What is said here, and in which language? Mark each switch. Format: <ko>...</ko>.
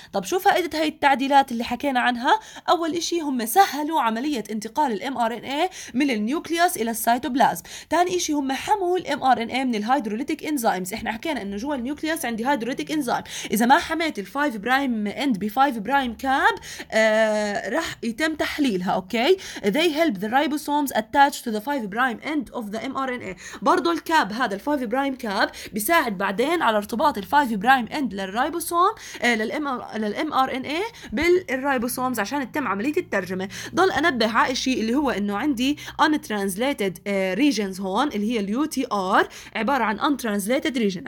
<ar>طب شو فائدة هاي التعديلات اللي حكينا عنها؟ اول اشي هم سهلوا عملية انتقال الـ mRNA من النيوكليوس الى السيتوبلازم. تاني اشي هم حموا الـ mRNA من الهيدروليتيك انزيمز. احنا حكينا انه جوا النيوكليوس عندي هيدروليتيك انزيم، اذا ما حميت الـ 5 برايم اند بـ 5 برايم كاب رح يتم تحليلها، اوكي.</ar> <en>they help the ribosomes attached to the 5 prime end of the mRNA.</en> <ar>برضو الكاب هذا الـ 5 برايم كاب بيساعد بعدين على ارتباط الفايف برايم اند للرايبوسوم للام ار ان اي بالرايبوسومز عشان تتم عمليه الترجمه. ضل انبه على شيء اللي هو انه عندي ان ترانسليتد ريجنز هون اللي هي اليو تي ار عباره عن ان ترانسليتد ريجن.</ar>